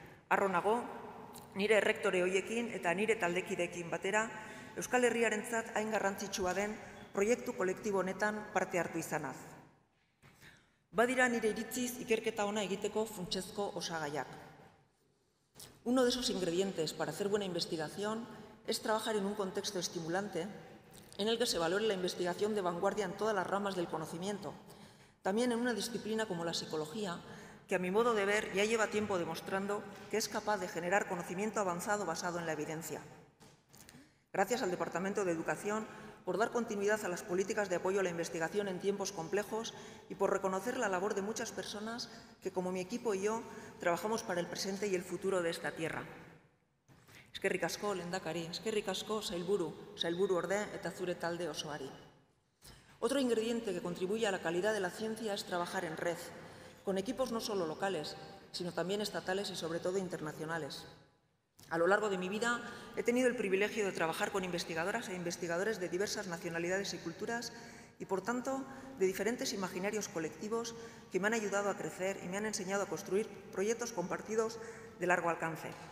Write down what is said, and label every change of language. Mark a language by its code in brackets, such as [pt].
[eu] Arro nago, nire errektore hoiekin eta nire taldekideekin batera, Euskal Herriarentzat hain garrantzitsua den proiektu kolektibo honetan parte hartu izanaz. Badira nire iritziz ikerketa ona egiteko funtsezko osagaiak. [es] Uno de esos ingredientes para hacer buena investigación es trabajar en un contexto estimulante en el que se valore la investigación de vanguardia en todas las ramas del conocimiento, también en una disciplina como la psicología, que a mi modo de ver ya lleva tiempo demostrando que es capaz de generar conocimiento avanzado basado en la evidencia. Gracias al Departamento de Educación por dar continuidad a las políticas de apoyo a la investigación en tiempos complejos y por reconocer la labor de muchas personas que, como mi equipo y yo, trabajamos para el presente y el futuro de esta tierra. [eu] Eskerrik asko, lehendakari, eskerrik asko, sailburu, sailburu orde eta zure talde osoari. [es] Otro ingrediente que contribuye a la calidad de la ciencia es trabajar en red, con equipos no solo locales, sino también estatales y sobre todo internacionales. A lo largo de mi vida he tenido el privilegio de trabajar con investigadoras e investigadores de diversas nacionalidades y culturas y, por tanto, de diferentes imaginarios colectivos que me han ayudado a crecer y me han enseñado a construir proyectos compartidos de largo alcance.